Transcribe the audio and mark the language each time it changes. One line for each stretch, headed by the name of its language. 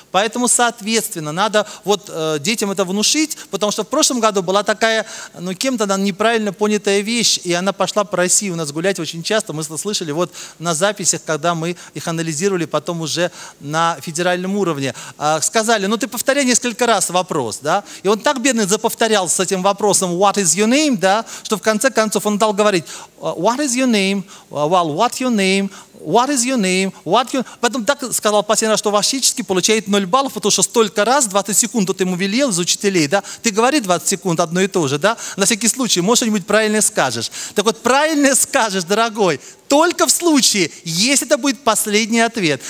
Russian: Поэтому, соответственно, надо вот детям это внушить, потому что в прошлом году была такая, ну, кем-то она неправильно понятая вещь, и она пошла по России у нас гулять очень часто. Мы это слышали вот на записях, когда мы их анализировали потом уже на федеральном уровне. Сказали, ну, ты повторяй несколько раз вопрос, да. И он так бедный заповторял с этим вопросом
English: «What is your name?»,
Russian: да, что в конце концов он стал говорить «What is your name?»,
English: «Well, what your name?»,
Russian: «What is your name?»,
English: «What your...»
Russian: Потом так сказал последний раз, что фактически получает 0 баллов, потому что столько раз, 20 секунд, вот ему велел из учителей, да, ты говори 20 секунд одно и то же, да, на всякий случай, может, что-нибудь правильное скажешь. Так вот, правильное скажешь, дорогой, только в случае, если это будет последний ответ.